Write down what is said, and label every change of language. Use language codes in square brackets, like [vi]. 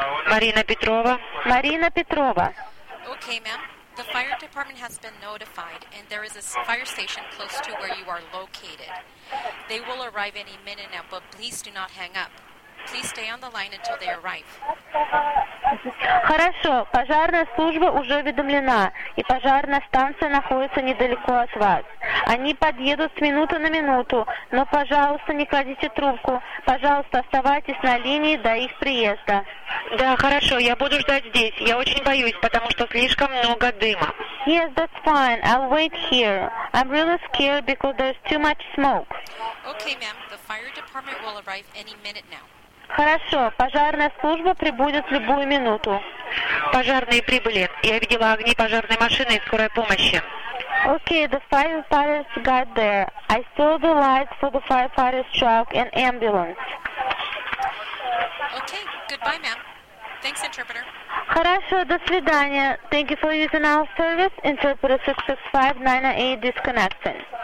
[ru] Марина Петрова. Марина Петрова. [en] Okay, ma'am. The fire department has been notified, and there is a fire station close to where you are located. They will arrive any minute now, but please do not hang up. Please stay on the line until they arrive. [ru] Хорошо, пожарная служба уже уведомлена, и пожарная станция находится недалеко от вас. Они подъедут с минуты на минуту, но, пожалуйста, не кладите трубку. Пожалуйста, оставайтесь на линии до их приезда. Да, хорошо, я буду ждать здесь. Я очень боюсь, потому что слишком много дыма. [en] Yes, that's fine. I'll wait here. I'm really scared because there's too much smoke. Okay, ma'am. The fire department will arrive any minute now. [ru] Хорошо, пожарная служба прибудет в любую минуту. Пожарные прибыли. Я видела огни пожарной машины и скорой помощи. [en] Okay, the firefighters got there. I saw the lights for the firefighters truck and ambulance. Okay, goodbye, ma'am. Thanks, interpreter. [ru] Хорошо, до свидания. [en] Thank you for using our service. Interpreter 665-998 disconnecting.